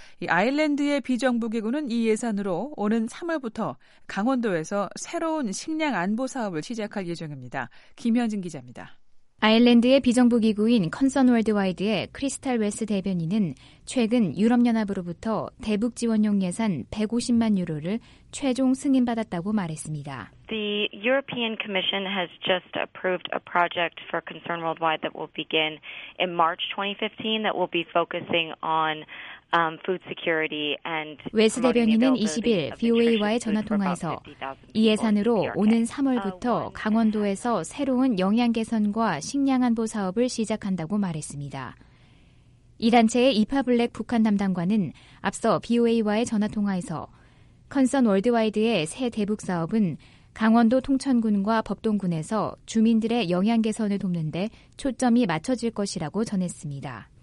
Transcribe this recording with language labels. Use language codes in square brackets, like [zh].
[ko] 이 아일랜드의 비정부기구는 이 예산으로 오는 3월부터 강원도에서 새로운 식량 안보 사업을 시작할 예정입니다. 김현진 기자입니다. 아일랜드의 비정부기구인 컨선 월드와이드의 크리스탈 웨스 대변인은 최근 유럽연합으로부터 대북지원용 예산 150만 유로를 최종 승인받았다고 말했습니다. [en] The European Commission has just approved a project for Concern Worldwide that will begin in March 2015 that will be focusing on food security and [ko] 웨스 대변인은 20일 VOA와의 전화통화에서 이 예산으로 오는 3월부터 강원도에서 새로운 영양개선과 식량안보 사업을 시작한다고 말했습니다. 이 단체의 이파 블랙 북한 담당관은 앞서 VOA와의 전화통화에서 컨선 월드와이드의 새 대북 사업은 강원도 통천군과 법동군에서 주민들의 영양 개선을 돕는 데 초점이 맞춰질 것이라고 전했습니다.